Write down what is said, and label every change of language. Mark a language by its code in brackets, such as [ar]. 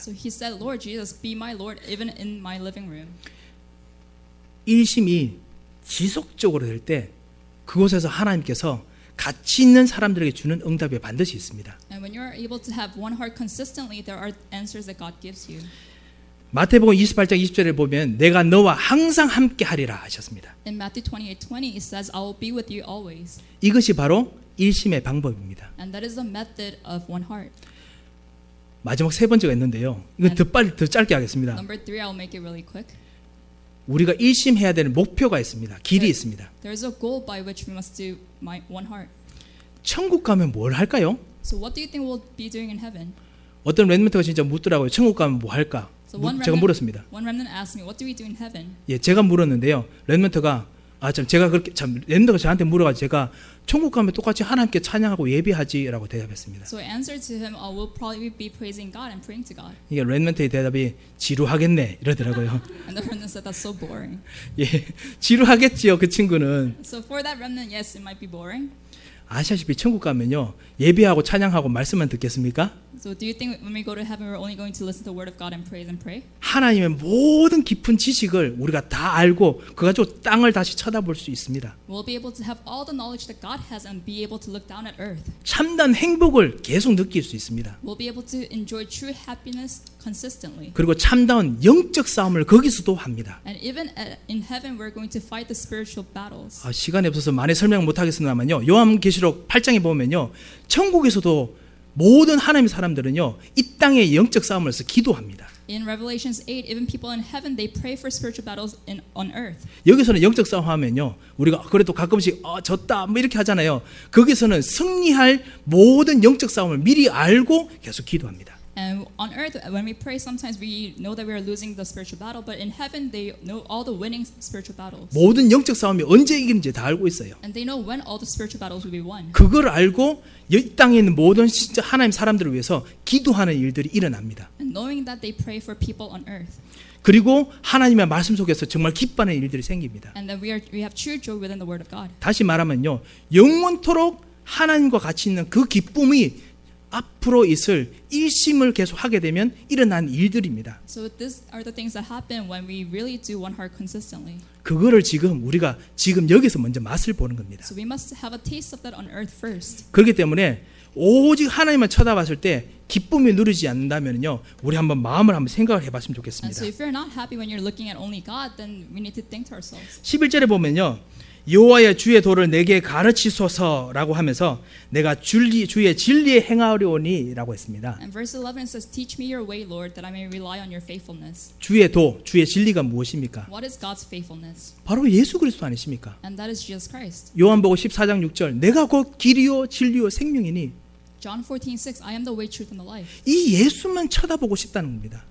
[en] So he said, Lord Jesus, be my Lord, even in my living room. [ko] 일심이 지속적으로 될 때 그곳에서 하나님께서 가치 있는 사람들에게 주는 응답이 반드시 있습니다. [en] And when you are able to have one heart consistently, there are answers that God gives you. [ko] 마태복음 28장 20절을 보면 내가 너와 항상 함께 하리라 하셨습니다. [en] In Matthew 28:20 it says I will be with you always. [ko] 이것이 바로 일심의 방법입니다. [en] And that is the method of one heart. [ko] 마지막 세 번째가 있는데요. 이건 더 빨리 더 짧게 하겠습니다. [en] Number three, I'll make it really quick. [ko] 우리가 일심해야 되는 목표가 있습니다. 길이 있습니다. [en] There's a goal by which we must do my one heart. [ko] 천국 가면 뭘 할까요? [en] So what do you think we'll be doing in heaven? [ko] 어떤 렘넌트가 진짜 묻더라고요. 천국 가면 뭐 할까? [en] So one remnant, [ko] 제가 물었습니다. [en] One remnant asked me, what do we do in heaven? [ko] 예, 제가 물었는데요. 렘넌트가 아, 참 제가 그렇게 참 렘넌트가 저한테 물어가 제가 천국 가면 똑같이 하나님께 찬양하고 예배하지라고 대답했습니다. [en] So I answered to him, oh, we'll probably be praising God and praying to God. [ko] 이게 렘넌트의 대답이 지루하겠네 이러더라고요. [en] And the remnant said, that's so boring. [ko] 예, 지루하겠지요 그 친구는. [en] So for that remnant, yes, it might be boring. [ko] 아시다시피 천국 가면요 예배하고 찬양하고 말씀만 듣겠습니까? [en] So do you think when we go to heaven, we're only going to listen to the word of God and praise and pray? [ko] 하나님의 모든 깊은 지식을 우리가 다 알고 그 가지고 땅을 다시 쳐다볼 수 있습니다. [en] We'll be able to have all the knowledge that God has and be able to look down at earth. [ko] 참된 행복을 계속 느낄 수 있습니다. [en] We'll be able to enjoy true happiness consistently. [ko] 그리고 참된 영적 싸움을 거기서도 합니다. [en] And even in heaven, we're going to fight the spiritual battles. [ko] 아, 시간이 없어서 많이 설명 못하겠습니다만요. 요한계시록 8장에 보면요, 천국에서도 모든 하나님의 사람들은요 이 땅의 영적 싸움을 위해서 기도합니다. [en] In Revelation 8, even people in heaven they pray for spiritual battles in on earth. [ko] 여기서는 영적 싸움하면요 우리가 그래도 가끔씩 어, 졌다 뭐 이렇게 하잖아요. 거기서는 승리할 모든 영적 싸움을 미리 알고 계속 기도합니다. [en] And on earth, when we pray, sometimes we know that we are losing the spiritual battle. But in heaven, they know all the winning spiritual battles. [ko] 모든 영적 싸움이 언제 이기는지 다 알고 있어요. [en] And they know when all the spiritual battles will be won. [ko] 그걸 알고 이 땅에 있는 모든 진짜 하나님 사람들을 위해서 기도하는 일들이 일어납니다. [en] And knowing that they pray for people on earth. [ko] 그리고 하나님의 말씀 속에서 정말 기뻐하는 일들이 생깁니다. [en] And then we have true joy within the word of God. [ko] 다시 말하면요, 영원토록 하나님과 같이 있는 그 기쁨이 앞으로 있을 일심을 계속 하게 되면 일어난 일들입니다. [en] So these are the things that happen when we really do one heart consistently. [ko] 그거를 지금 우리가 지금 여기서 먼저 맛을 보는 겁니다. [en] So we must have a taste of that on earth first. [ko] 그렇기 때문에 오직 하나님만 쳐다봤을 때 기쁨이 누리지 않는다면요, 우리 한번 마음을 한번 생각을 해봤으면 좋겠습니다. [en] And so if you're not happy when you're looking at only God, then we need to think to ourselves. [ko] 11절에 보면요. 여호와의 주의 도를 내게 가르치소서라고 하면서 내가 주의 진리에 행하려오니라고 했습니다. [en] And verse 11 says, "Teach me your way, Lord, that I may rely on your faithfulness." [ko] 주의 도, 주의 진리가 무엇입니까? [en] What is God's faithfulness? [ko] 바로 예수 그리스도 아니십니까? [en] And that is Jesus Christ. [ko] 요한복음 14장 6절, 내가 곧 길이요 진리요 생명이니. [en] John 14:6, I am the way, truth, and the life. [ko] 이 예수만 쳐다보고 싶다는 겁니다.